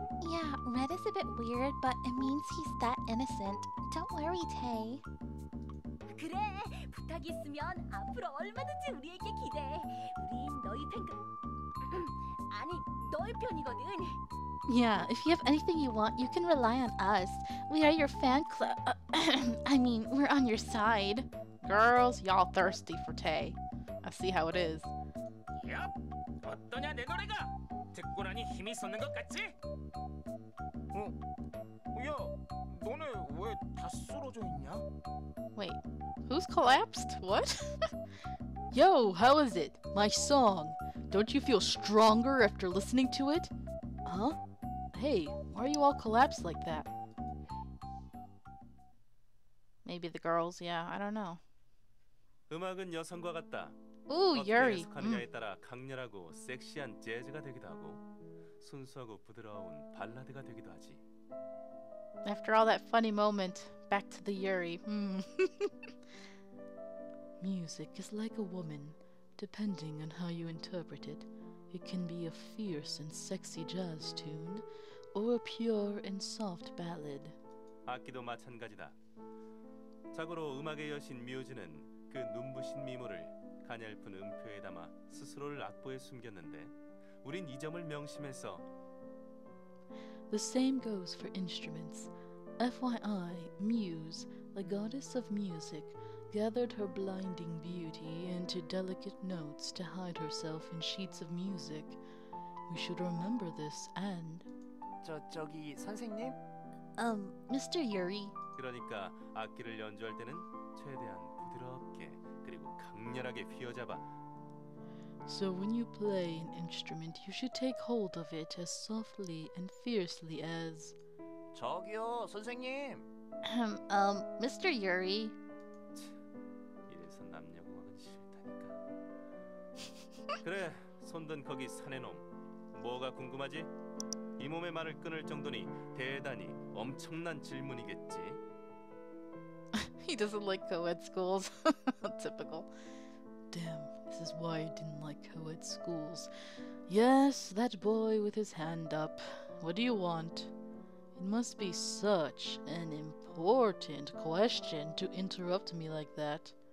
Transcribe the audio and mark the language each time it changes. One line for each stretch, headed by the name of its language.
English: Yeah, Red is a bit weird, but it means he's that innocent. Don't worry, Tay.
Korean: 그래, 부탁 있으면 앞으로 얼마든지 우리에게 기대해. 우린 너희 편이거든. 아니, 너희 편이거든.
English: Yeah, if you have anything you want, you can rely on us. We are your fan club. I mean, we're on your side. Girls, y'all thirsty for Tay. I see how it is. Yep.
Korean: 어떠냐 내 노래가? 듣고 나니 힘이 솟는 것 같지? 야, 너네 왜 다 쓰러져 있냐?
English: Wait, who's collapsed? What? Yo, how is it? My song. Don't you feel stronger after listening to it? Huh? Hey, why are you all collapsed like that? Maybe the girls, yeah, I don't know.
Korean: 음악은 여성과 같다.
English: Ooh, Yuri.
Korean: 관계에 따라 강렬하고 섹시한 재즈가 되기도 하고 순수하고 부드러운 발라드가 되기도 하지.
English: After all that funny moment, back to the Yuri. Music is like a woman. Depending on how you interpret it, it can be a fierce and sexy jazz tune, or a pure and soft ballad.
Korean: 악기도 마찬가지다. 자고로 음악의 여신 뮤즈는 그 눈부신 미모를 가냘픈 음표에 담아 스스로를 악보에 숨겼는데, 우린 이 점을 명심해서.
English: The same goes for instruments. FYI, Muse, the goddess of music, gathered her blinding beauty into delicate notes to hide herself in sheets of music. We should remember this and...
Korean: 저기 선생님?
English: Mr. Yuri.
Korean: 그러니까 악기를 연주할 때는 최대한 부드럽게 그리고 강렬하게 휘어잡아.
English: So when you play an instrument, you should take hold of it as softly and fiercely as...
Korean: 저기요, 선생님!
English: Mr. Yuri.
Korean: 이래서 남녀공학은 싫다니까. 그래, 손든 거기 사내놈. 뭐가 궁금하지? 이 몸의 말을 끊을 정도니 대단히 엄청난 질문이겠지.
English: He doesn't like co-ed schools. Typical. Damn, this is why I didn't like co-ed schools. Yes, that boy with his hand up. What do you want? It must be such an important question to interrupt me like that.